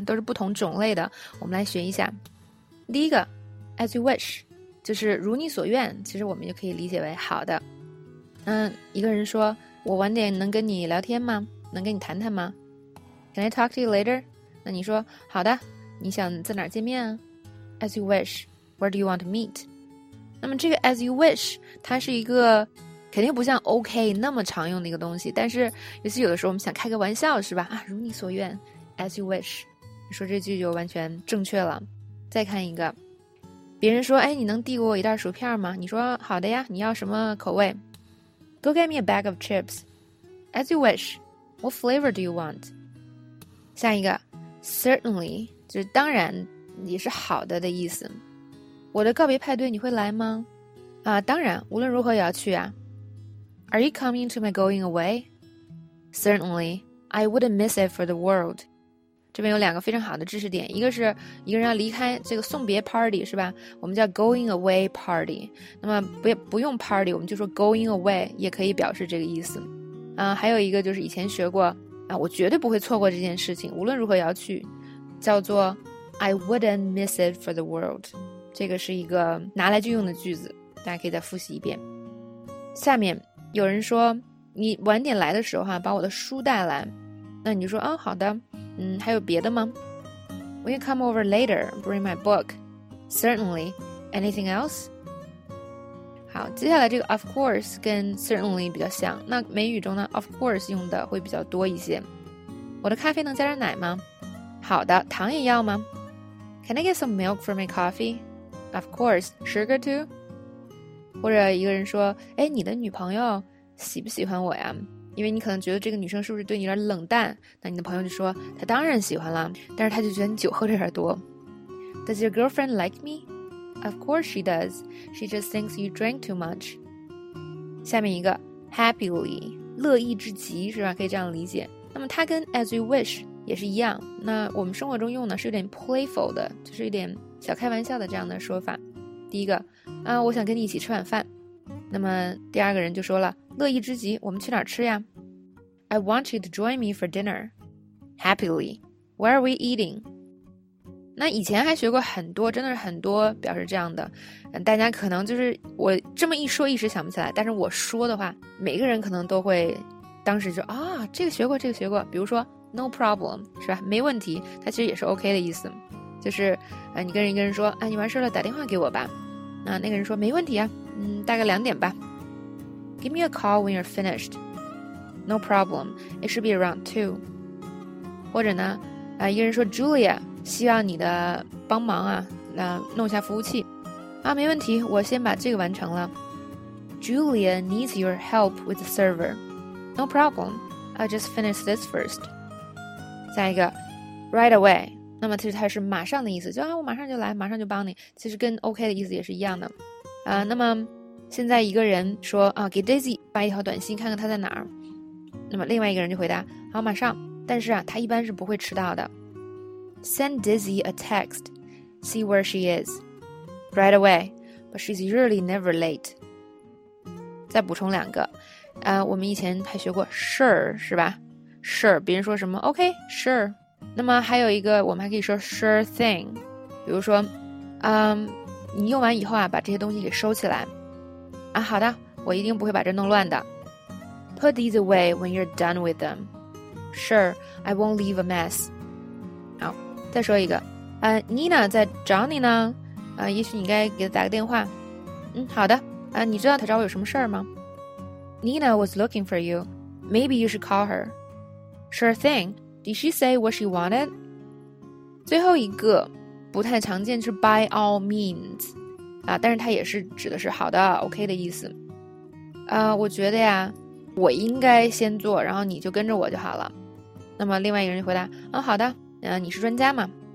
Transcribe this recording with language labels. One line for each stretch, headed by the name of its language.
Chinese: 都是不同种类的，我们来学一下。第一个
English: as you wish，
Chinese: 就是如你所愿，其实我们就可以理解为好的。一个人说，我晚点能跟你聊天吗？能跟你谈谈吗？
English: Can I talk to you later?
Chinese: 那你说，好的，你想在哪儿见面啊？
English: As you wish, where do you want to meet?
Chinese: 那么这个
English: as you wish,
Chinese: 它是一个肯定不像 OK 那么常用的一个东西，但是尤其有的时候我们想开个玩笑，是吧？啊，如你所愿，
English: as you wish,
Chinese: 你说这句就完全正确了。再看一个，别人说，哎，你能递给我一袋薯片吗？你说，好的呀，你要什么口味？
English: Go get me a bag of chips. As you wish, what flavor do you want?
Chinese: 下一个 certainly 就是当然也是好的的意思。我的告别派对你会来吗？当然，无论如何也要去啊。
English: Are you coming to my going away? Certainly, I wouldn't miss it for the world.
Chinese: 这边有两个非常好的知识点，一个是一个人要离开这个送别 party， 是吧？我们叫
English: going away party，
Chinese: 那么不用 party， 我们就说
English: going away
Chinese: 也可以表示这个意思。还有一个就是以前学过啊，我绝对不会错过这件事情，无论如何也要去，叫做
English: I wouldn't miss it for the world，
Chinese: 这个是一个拿来就用的句子，大家可以再复习一遍。下面有人说，你晚点来的时候哈，把我的书带来，那你就说，好的，还有别的吗？
English: Will you come over later, bring my book? Certainly, anything else?
Chinese: 好，接下来这个
English: of course
Chinese: 跟 certainly 比较像，那美语中呢 of course 用的会比较多一些。我的咖啡能加点奶吗？好的，糖也要吗？
English: Can I get some milk for my coffee? Of course, sugar too?
Chinese: 或者一个人说，哎，你的女朋友喜不喜欢我呀？因为你可能觉得这个女生是不是对你有点冷淡，那你的朋友就说，她当然喜欢了，但是她就觉得你酒喝的有点多。
English: Does your girlfriend like me? Of course she does. She just thinks you drank too much.
Chinese: 下面一个 happily， 乐意至极，是吧？可以这样理解。那么它跟
English: as you wish
Chinese: 也是一样。那我们生活中用呢是有点 playful 的，就是有点小开玩笑的这样的说法。第一个，啊，我想跟你一起吃晚饭。那么第二个人就说了，乐意之极，我们去哪儿吃呀？
English: I want you to join me for dinner. Happily. Where are we eating?
Chinese: 那以前还学过很多，真的是很多表示这样的，大家可能就是我这么一说一时想不起来，但是我说的话，每个人可能都会当时就啊，这个学过，这个学过，比如说
English: no problem,
Chinese: 是吧？没问题，它其实也是 OK 的意思。就是你跟一个人说，哎，你完事了打电话给我吧。那那个人说没问题啊，大概两点吧。
English: Give me a call when you're finished. No problem. It should be around 2.
Chinese: 或者呢一个人说 Julia, 希望你的帮忙啊弄一下服务器。啊没问题，我先把这个完成了。
English: Julia needs your help with the server. No problem. I'll just finish this first.
Chinese: 下一个
English: Right away.
Chinese: 那么其实它是马上的意思，就啊我马上就来，马上就帮你，其实跟 OK 的意思也是一样的那么现在一个人说啊，给 Daisy 发一条短信看看他在哪儿，那么另外一个人就回答好马上，但是啊他一般是不会迟到的。
English: Send Daisy a text, see where she is right away, but she's usually never late.
Chinese: 再补充两个我们以前还学过 sure 是吧， sure 别人说什么 OK sure,那么还有一个我们还可以说
English: sure thing,
Chinese: 比如说你用完以后啊把这些东西给收起来啊，好的，我一定不会把这弄乱的。
English: Put these away when you're done with them. Sure, I won't leave a mess.
Chinese: 好，再说一个Nina 在找你呢也许你该给她打个电话。好的你知道她找我有什么事儿吗？
English: Nina was looking for you. Maybe you should call her. Sure thingDid she say what she wanted?
Chinese: 最后一个不太常见是
English: by all means,
Chinese: 但是它也是指的是好的 OK 的意思。我觉得呀我应该先做，然后你就跟着我就好了。那么另外一个人就回答好的你是专家吗？